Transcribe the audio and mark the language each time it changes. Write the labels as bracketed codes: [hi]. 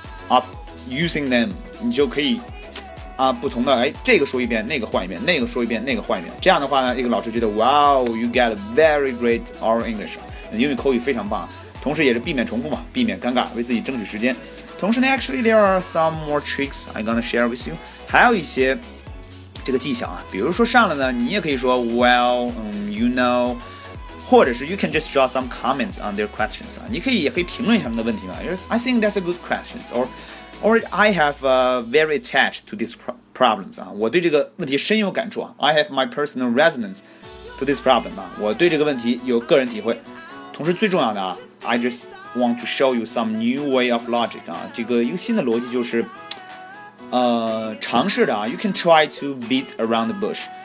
[en] up using them [zh] 你就可以不同的这个说一遍那个换一遍那个说一遍那个换一遍这样的话呢一个老师觉得 [en] Wow you get very great oral English [zh] 英语口语非常棒同时也是避免重复嘛避免尴尬为自己争取时间同时呢 [en] actually there are some more tricks I'm gonna share with you [zh] 还有一些这个技巧啊比如说上了呢你也可以说 [en] Well、you know [zh] 或者是 [en] you can just draw some comments on their questions. [zh] 你可以也可以评论一下他们的问题嘛。 [en] I think that's a good question. Or I have very attached to these problems. [zh] 我对这个问题深有感触啊。 [en] I have my personal resonance to this problem. [zh] 我对这个问题有个人体会。同时最重要的啊 [en] ，I just want to show you some new way of logic. [zh] 这个一个新的逻辑就是，尝试的啊。 [en] You can try to beat around the bush.